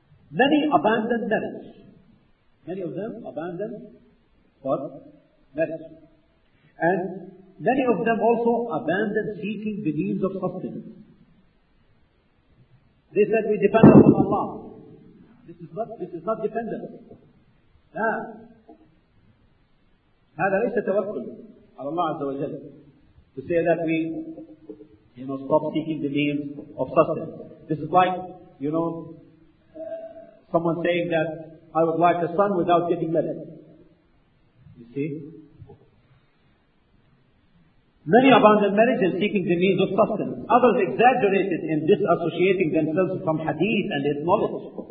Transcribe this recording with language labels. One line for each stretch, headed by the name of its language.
English: Many abandoned marriage. Many of them abandoned for marriage. And many of them also abandoned seeking the means of sustenance. They said, we depend on Allah. This is not dependent.
Arabic: Now, هذا ليس توكل على الله عز وجل.
English: To say that we, you know, stop seeking the means of sustenance. This is like, you know, someone saying that I would like a son without getting married. You see? Many abandon marriage and seeking the means of sustenance. Others exaggerated in disassociating themselves from hadith and its knowledge.